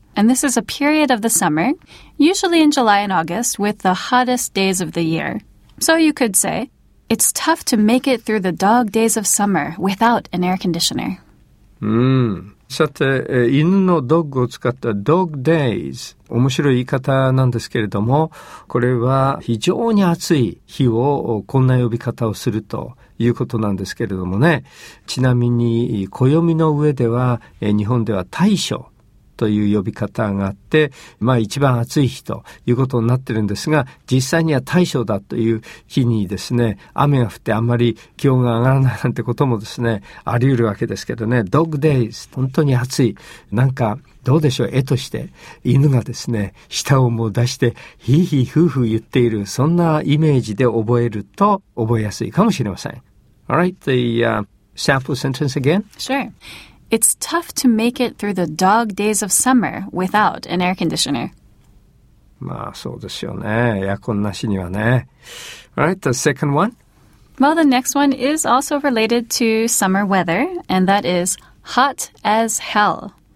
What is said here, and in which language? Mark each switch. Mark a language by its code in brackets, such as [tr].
[en] And this is a period of the summer, usually in July and August, with the hottest days of the year. So you could say, it's tough to make it through the dog days of summer without an air conditioner. Hmm. [ja] さて、犬のドッグを使った dog days、 面白い言い方なんですけれども、これは非常に暑い日をこんな呼び方をするということなんですけれどもね。ちなみに暦の上では日本では大暑という呼び方があって、まあ一番暑い日ということになってるんですが、実際には大暑だという日にですね、雨が降ってあんまり気温が上がらないなんてこともですね、あり得るわけですけどね。 Dog days、本当に暑い。なんか、どうでしょう、絵として。犬がですね、舌をもう出して、ヒーヒーフーフー言っている、そんなイメージで覚えると覚えやすいかもしれません。 [en] Alright, the, sample sentence again? Sure. It's tough to make it through the dog days of summer without an air conditioner. [ja] まあそうですよね。エアコンなしにはね。 All right, the second one? [en] Well, the next one is also related to summer weather, and that is hot as hell.